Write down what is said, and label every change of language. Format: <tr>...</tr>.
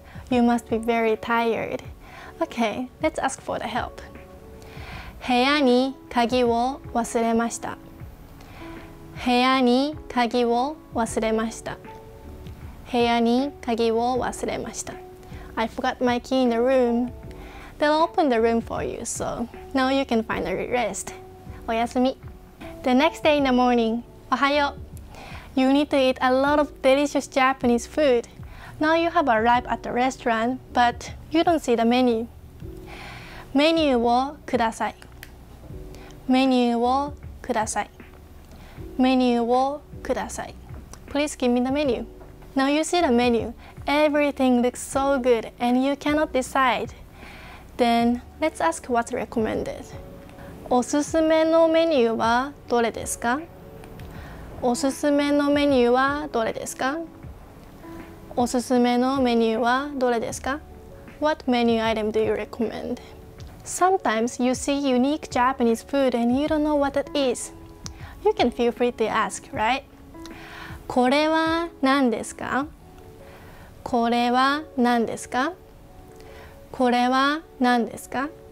<en>You must be very tired. Okay, let's ask for the help.</en> <ja>部屋に鍵を忘れました。部屋に鍵を忘れました。部屋に鍵を忘れました。</ja> <en>I forgot my key in the room. They'll open the room for you, so now you can finally rest.</en> <ja>おやすみ。</ja> <en>The next day in the morning, おはよう。 You need to eat a lot of delicious Japanese food. Now you have arrived at the restaurant, but you don't see the menu.</en> <ja>メニューをください。メニューをください。メニューをください。</ja> <en>Please give me the menu. Now you see the menu. Everything looks so good and you cannot decide. Then let's ask what's recommended.</en> <ja>おすすめのメニューはどれですか？おすすめのメニューはどれですか？おすすめのメニューはどれですか？</ja> <en>What menu item do you recommend? Sometimes you see unique Japanese food and you don't know what it is. You can feel free to ask, right?</en> <ja>これは何ですか？これは何ですか？これは何ですか？</ja>